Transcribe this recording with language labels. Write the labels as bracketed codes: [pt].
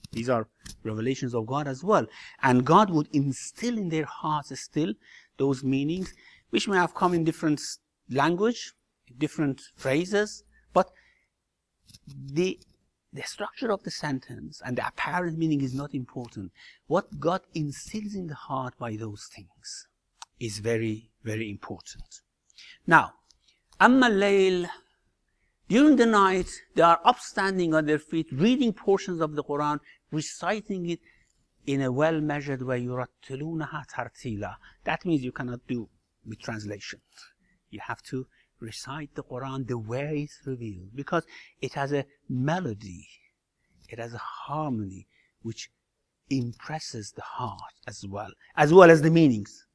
[en] These are revelations of God as well. And God would instill in their hearts still those meanings, which may have come in different language, different phrases, but the structure of the sentence and the apparent meaning is not important. What God instills in the heart by those things is very, very important. Now, [ar] أَمَّا اللَّيْلِ. [en] During the night, they are upstanding on their feet, reading portions of the Quran, reciting it in a well-measured way. [ar] يُرَتْلُونَهَا تَرْتِيلًا. [en] That means you cannot do with translation. You have to recite the Quran the way it's revealed, because it has a melody, it has a harmony which impresses the heart as well as the meanings.